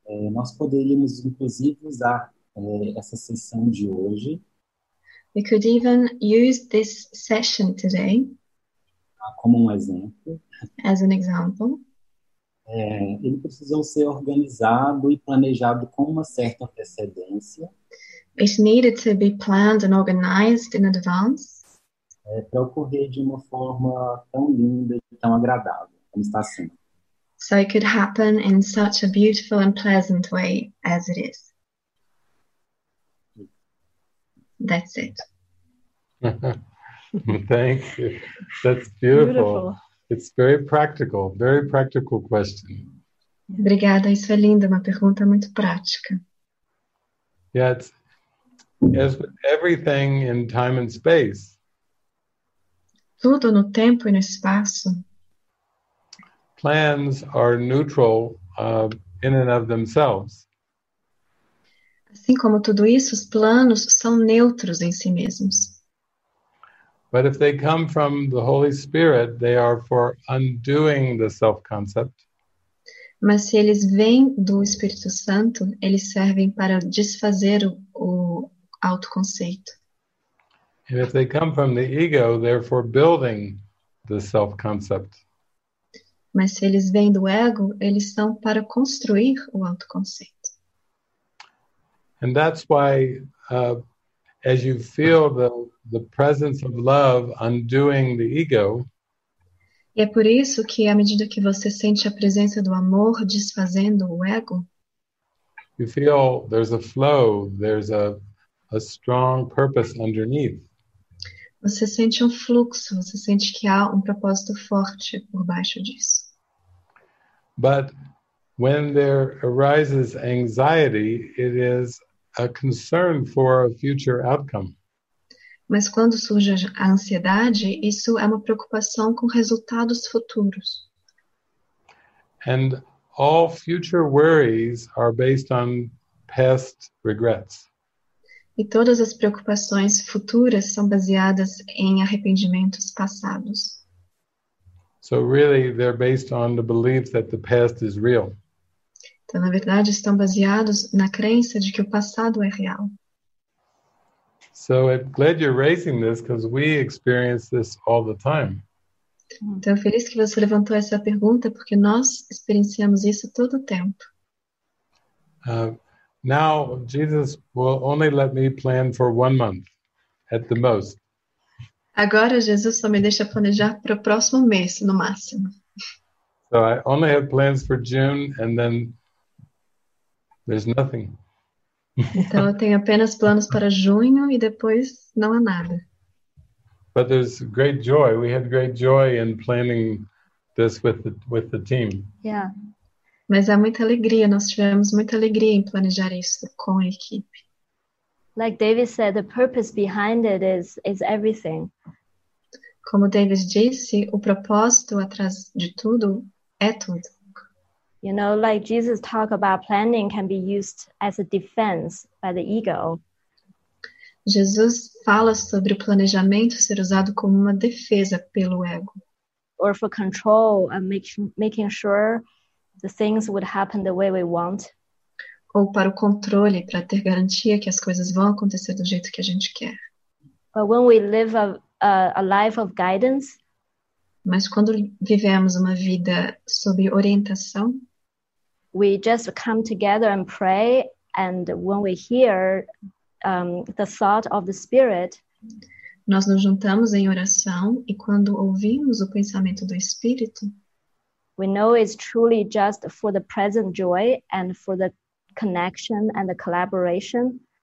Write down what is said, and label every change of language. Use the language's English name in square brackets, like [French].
[Portuguese] Nós poderíamos, inclusive, usar essa sessão de hoje. [English] We could even use this session today. [Portuguese] Como um exemplo. [English] As an example. [Portuguese] Ele precisou ser organizado e planejado com uma certa antecedência. [English] It needed to be planned and organized in advance. [Portuguese] Para ocorrer de uma forma tão linda e tão agradável, como está sendo. [English] So it could happen in such a beautiful and pleasant way as it is. That's it. Thank you. That's beautiful. It's very practical question. [Portuguese] Obrigada, isso é lindo, uma pergunta muito prática. [English] Yeah, it's as everything in time and space. [Portuguese] Tudo no tempo e no espaço. [English] Plans are neutral in and of themselves. [Portuguese] Assim como tudo isso, os planos são neutros em si mesmos. [English] But if they come from the Holy Spirit, they are for undoing the self-concept. [Portuguese] Mas se eles vêm do Espírito Santo, eles servem para desfazer o autoconceito. [English] And if they come from the ego, they're for building the self-concept. [Portuguese] Mas se eles vêm do ego, eles são para construir o autoconceito. [English] And that's why, as you feel the presence of love undoing the ego. [Portuguese] E é por isso que, à medida que você sente a presença do amor desfazendo o ego, [English] you feel there's a flow, there's a strong purpose underneath. [Portuguese] Você sente fluxo, você sente que há propósito forte por baixo disso. [English] But when there arises anxiety, it is a concern for a future outcome. [Portuguese] Mas quando surge a ansiedade, isso é uma preocupação com resultados futuros. [English] And all future worries are based on past regrets. [Portuguese] E todas as preocupações futuras são baseadas em arrependimentos passados. [English] So really, they're based on the belief that the past is real. [Portuguese] Então, na verdade, estão baseados na crença de que o passado é real. [English] So I'm glad you're raising this because we experience this all the time. [Portuguese] Então, feliz que você levantou essa pergunta porque nós experienciamos isso todo o tempo. [English] Now, Jesus will only let me plan for 1 month at the most. [Portuguese] Agora, Jesus só me deixa planejar para o próximo mês, no máximo. [English] So I only have plans for June and then there's nothing. [Portuguese] Então eu tenho apenas planos para junho e depois não há nada. [English] But there's great joy. We had great joy in planning this with the team. Yeah. [Portuguese] Mas há muita alegria. Nós tivemos muita alegria em planejar isso com a equipe. [English] Like David said, the purpose behind it is everything. [Portuguese] Como David disse, o propósito atrás de tudo é tudo. [English] You know, like Jesus talk about planning can be used as a defense by the ego. [Portuguese] Jesus fala sobre o planejamento ser usado como uma defesa pelo ego. [English] Or for control and making sure the things would happen the way we want. [Portuguese] Ou para o controle, para ter garantia que as coisas vão acontecer do jeito que a gente quer. [English] But when we live a life of guidance, [Portuguese] mas quando vivemos uma vida sob orientação, [English] we just come together and pray, and when we hear the thought of the Spirit, [Portuguese] nós nos juntamos em oração, e quando ouvimos o pensamento do Espírito, [English] we know it's truly just for the present joy and for the connection and the collaboration.